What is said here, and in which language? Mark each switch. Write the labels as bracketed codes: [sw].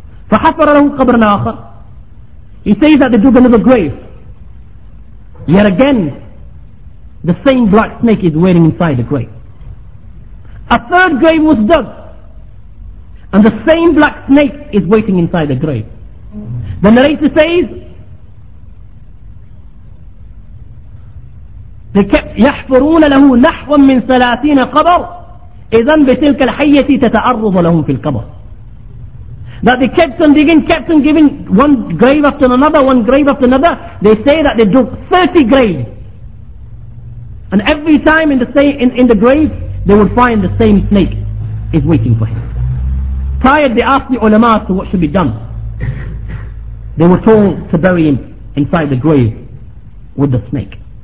[ar] فَحَفَرَ لَهُ قَبْرًا آخَرَ. [en] He says that they dug another grave. Yet again, the same black snake is waiting inside the grave. A third grave was dug, and the same black snake is waiting inside the grave. The narrator says, they kept [ar] يحفرون له نحو من ثلاثين قبر إذا بتلك الحية تتعرض لهم في القبر. [en] That they kept on giving one grave after another, one grave after another. They say that they dug 30 graves, and every time in the grave they would find the same snake is waiting for him. Tired, they asked the ulama to what should be done. They were told to bury him inside the grave with the snake.